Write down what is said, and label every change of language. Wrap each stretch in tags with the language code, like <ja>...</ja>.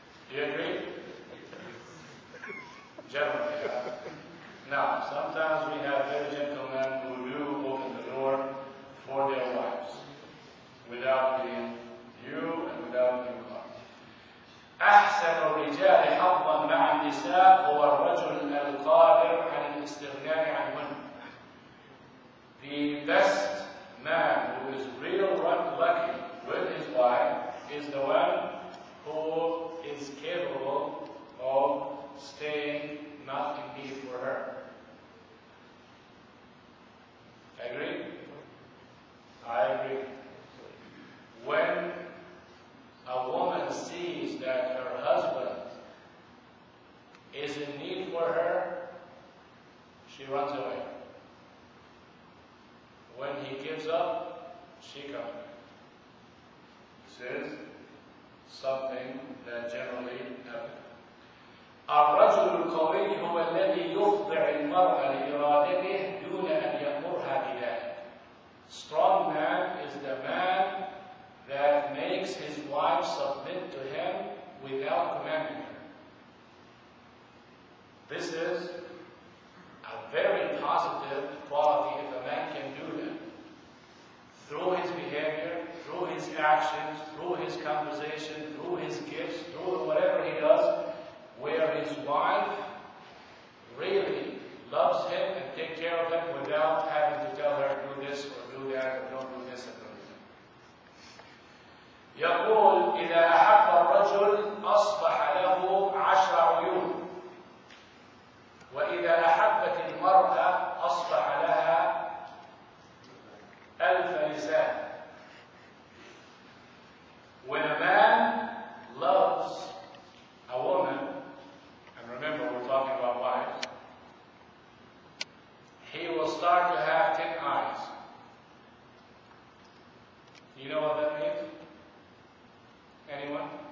<en>Do you agree? Generally, yeah. Now, sometimes we have very gentlemen who do open the door for their wives without being new and without new.</en> <ar>أحسن الرجال حظا مع النساء هو الرجل القادر على الاستغناء عنهن.</ar> <en>The best man who is real lucky with his wife is the one who is capable of staying not in need for her. Agree? I agree. When a woman sees that her husband is in need for her, she runs away. When he gives up, she comes. This is something that generally happens.</en> <ar>الرجل القوي هو الذي يخضع المرأة لإرادته دون أن يأمرها بذلك.</ar> <en>Strong man is the man that makes his wife submit to him without commanding her. This is a very positive quality if a man can do that. through his behavior, through his actions, through his conversation, through his gifts, through whatever he does, where his wife really loves him and takes care of him without having to tell her do this or do that or don't do this or don't do that.</en> <ar>يقول إذا أحب الرجل أصبح له عشر عيون وإذا أحبت المرأة أصبح لها ألف لسان.</ar> <en>When a man loves a woman, and remember we're talking about wives, he will start to have 10 eyes. Do you know what that means? Anyone?</en>